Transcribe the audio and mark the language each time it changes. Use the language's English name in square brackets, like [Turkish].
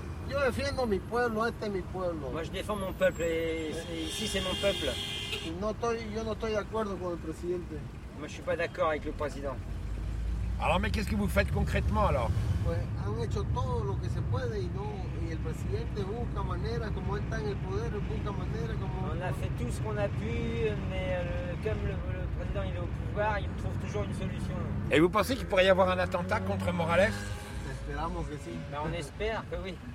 [Spanish] Yo defiendo mi pueblo, este es mi pueblo. [French] Moi, je défends mon peuple, et ici, c'est mon peuple. [Spanish] Yo no estoy de acuerdo con el presidente. [French] Moi, je suis pas d'accord avec le président. Alors, mais qu'est-ce que vous faites concrètement, alors? [Spanish] Pues, han hecho todo lo que se puede, y no... [French] Le président busca manière, comme il est en pouvoir, il busca manière. On a fait tout ce qu'on a pu, mais comme le président il est au pouvoir, il trouve toujours une solution. Et vous pensez qu'il pourrait y avoir un attentat contre Morales? Espérons que si. Ben, on espère que oui.